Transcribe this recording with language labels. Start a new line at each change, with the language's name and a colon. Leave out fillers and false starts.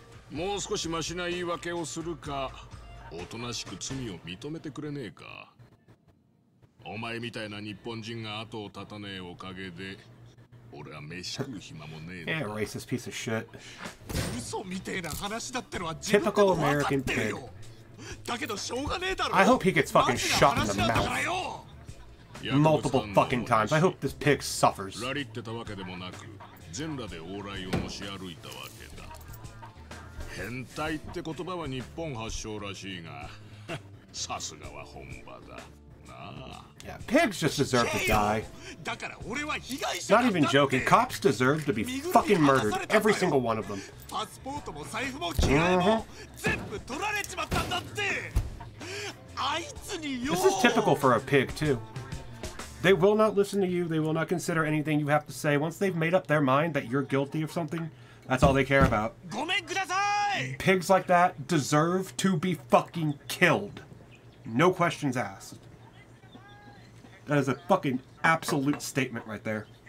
Japanese: もう少しマシな言い訳をするか、おとなしく罪を認めてくれねえか。お前みたいな日本人が後を絶たねえおかげで、俺は飯食う暇もねえ
English: な。Yeah, racist piece of shit.
Japanese: 嘘みてえな話だってのは自分でも分かってるよ。だけどしょうがねえだろ。
English: I hope he gets fucking shot in the mouth. Multiple fucking times. I hope this pig suffers.
Japanese: ラリってたわけでもなく、全裸で往来を持ち歩いたわけだ。変態って言葉は日本発祥らしいが、さすがは本場だ。なあ。
English: Yeah, pigs just deserve to die.
Japanese: だから俺は被害者。
English: Not even joking. Cops deserve to be fucking murdered. Every single one of them.
Japanese: パスポートも財布も機内も全部取られちまったんだって。あいつによ。
English: This is typical for a pig too. They will not listen to you. They will not consider anything you have to say. Once they've made up their mind that you're guilty of something, that's all they care about.
Japanese: ごめんください。
English: Pigs like that deserve to be fucking killed. No questions asked. That is a fucking absolute statement right there.